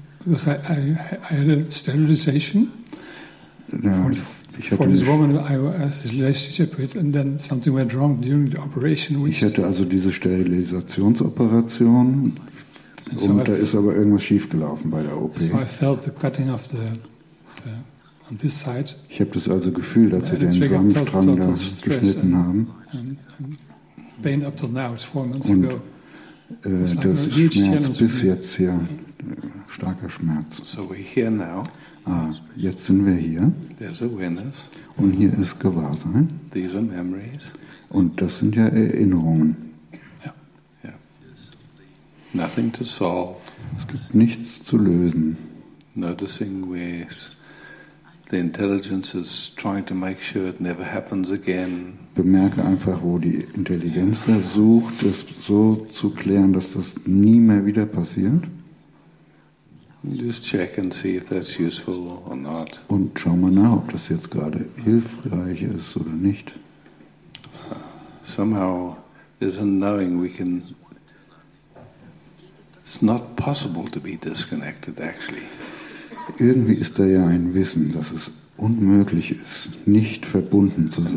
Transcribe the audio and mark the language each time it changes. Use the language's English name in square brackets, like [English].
[English] Because I had a sterilization for this woman I was in a relationship with, and then something went wrong during the operation. [German] Ich hatte also diese Sterilisationsoperation, und da ist aber irgendwas schiefgelaufen bei der OP. [English] So I felt the cutting of the on this side. [German] Ich habe das also gefühlt, dass sie den Samenstrang da geschnitten haben. [English] Pain up till now, it's 4 months ago. [German] Das ist Schmerz bis jetzt hier. Starker Schmerz. [English] So we're here now. [German] Ah, jetzt sind wir hier. [English] There's awareness. [German] Und hier ist Gewahrsein. [English] These are memories. [German] Und das sind ja Erinnerungen. [English] Yeah. Yeah. Nothing to solve. [German] Es gibt nichts zu lösen. [English] Noticing where the intelligence is trying to make sure it never happens again. [German] Bemerke einfach, wo die Intelligenz versucht, es so zu klären, dass das nie mehr wieder passiert. [English] Just check and see if that's useful or not. [German] Und schau mal nach, ob das jetzt gerade hilfreich ist oder nicht. [English] Somehow there's a knowing we can. It's not possible to be disconnected, actually. [German] Irgendwie ist da ja ein Wissen, dass es unmöglich ist, nicht verbunden zu sein.